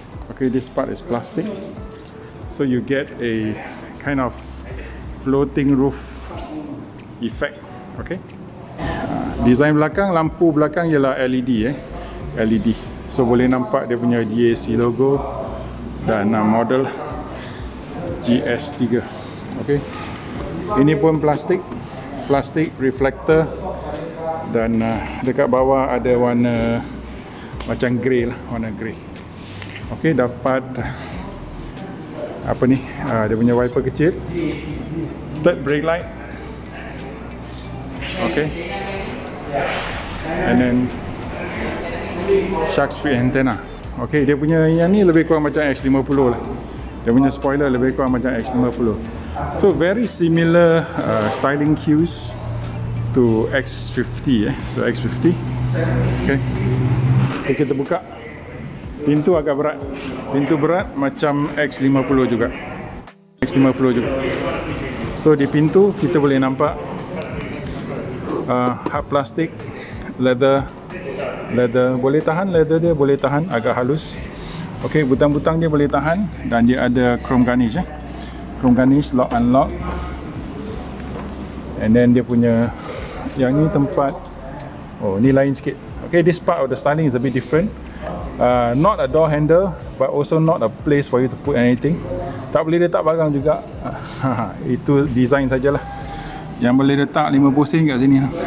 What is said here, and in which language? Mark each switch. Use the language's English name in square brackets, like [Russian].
[English] Okay, this part is plastic, so you get a kind of floating roof effect. [Malay] Okay, design belakang, lampu belakang ialah LED LED, so boleh nampak dia punya GAC logo dan model GS3. Okay, Ini pun plastik, plastik reflector. Dan dekat bawah ada warna macam grey lah, warna grey. Okey, dapat apa ni, dia punya wiper kecil. [English] Third brake light. Okey. And then shark fin antenna. [Malay] Okey, dia punya yang ni lebih kurang macam X50 lah. Dia punya spoiler lebih kurang macam X50. [English] So very similar styling cues to X50 to X50. [Malay] Okey. Okay, kita buka. Pintu agak berat. Pintu berat macam X50 juga. X50 juga. So di pintu kita boleh nampak hard plastic, leather, leather boleh tahan, leather dia boleh tahan, agak halus. Okey, butang-butang dia boleh tahan dan dia ada chrome garnish. Chrome garnish lock unlock. And then dia punya yang ni tempat, oh ni lain sikit. [English] Okey, this part of the styling is a bit different. Not a door handle but also not a place for you to put anything. [Malay] Tak boleh letak barang juga. Itu design sajalah. Yang boleh letak 50 sen kat sini.